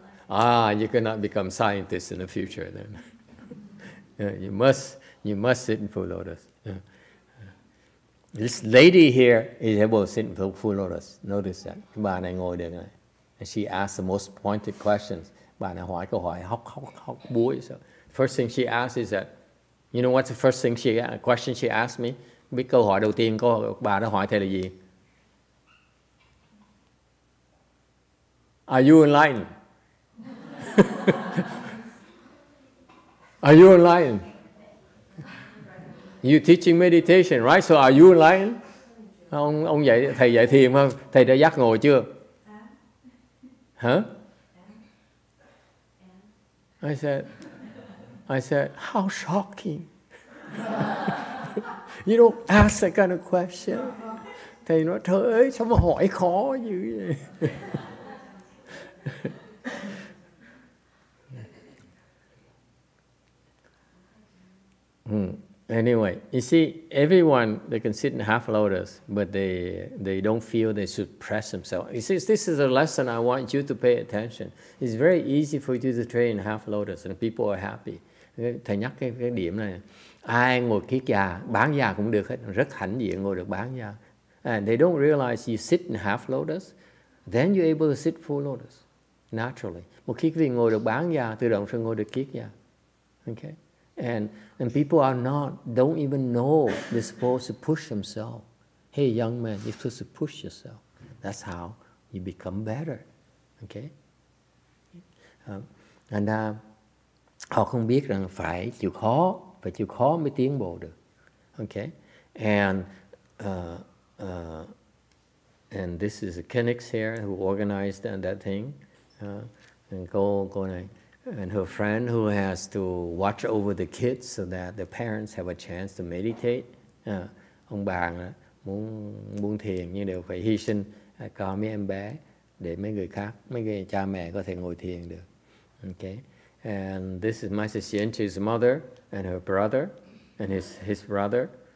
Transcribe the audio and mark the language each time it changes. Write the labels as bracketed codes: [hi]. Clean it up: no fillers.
[en] Ah, you cannot become scientists in the future then. you must sit in full lotus. This lady here is able to sit in full lotus. Notice that. [vi] Bà này ngồi được này. [en] And she asks the most pointed questions. [vi] Bà này hỏi câu hỏi hóc hóc hóc bụi. [en] First thing she asks is that, you know what's the first thing she asked, question she asked me? [vi] Biết câu hỏi đầu tiên của bà đã hỏi thầy là gì? [en] Are you enlightened? Are you enlightened? You teaching meditation, right? So are you enlightened? [vi] Ông dạy thầy dạy thiền không? Thầy đã giác ngộ chưa? Hả? Huh? [en] I said, how shocking! You don't ask that kind of question. [vi] Thầy nói, trời ơi, sao mà hỏi khó dữ vậy? [en] Anyway, you see, everyone, they can sit in half lotus, but they don't feel they should press themselves. You see, this is a lesson I want you to pay attention. It's very easy for you to train in half lotus, and people are happy. [vi] Thầy nhắc cái điểm này, ai ngồi kiết già, bán già cũng được hết, rất hãnh diện ngồi được bán già. [en] And they don't realize you sit in half lotus, then you're able to sit full lotus. [vi] Naturally, một khi quý vị ngồi được bán già, tự động sẽ ngồi được kiết già. [en] Okay, and people are not, don't even know they're supposed to push themselves. Hey, young man, you're supposed to push yourself. That's how you become better. [vi] Okay, họ không biết rằng phải chịu khó, phải chịu khó mới tiến bộ được. [en] Okay, and this is a Kinnick's here who organized that thing. And her friend who has to watch over the kids so that the parents have a chance to meditate. [vi] Ông bà muốn thiền nhưng đều phải hy sinh có mấy em bé để mấy người khác, mấy người cha mẹ có thể ngồi thiền được. [en] Okay. And this is Master Xianqi's mother and her brother and his brother.